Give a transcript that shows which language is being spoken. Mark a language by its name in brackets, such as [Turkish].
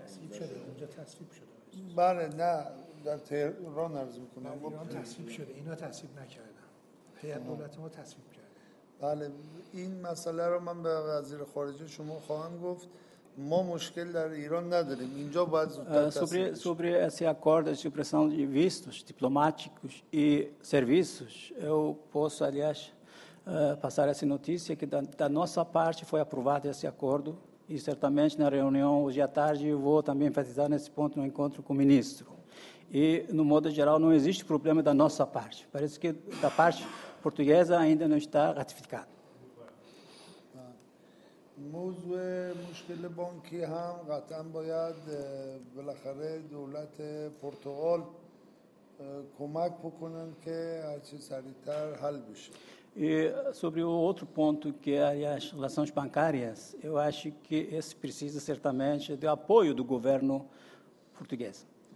[Persian] تصویب شده اونجا تصویب شده بله نه در تهران عرض میکنم ایران تصویب شده اینا تصویب نکردن هیئت دولت ما تصویب کرده بله این مسئله رو من به وزیر خارجه شما خواهم گفت ما مشکل در ایران نداریم اینجا باید [Portuguese] sobre esse acordo de supressão de vistos diplomáticos e serviços eu posso aliás passar essa notícia que da nossa parte foi aprovado esse acordo e certamente na reunião hoje à tarde eu vou também enfatizar nesse ponto no encontro com o ministro. E, no modo geral, não existe problema da nossa parte. Parece que da parte portuguesa ainda não está ratificado. [Persian] موضوع مشکل بانکی هم قطعا باید بالاخره دولت پرتغال کمک بکنن که هرچی سریعتر حل بشه. [Portuguese] E sobre o outro ponto, que é as relações bancárias, eu acho que esse precisa, certamente, do apoio do governo português.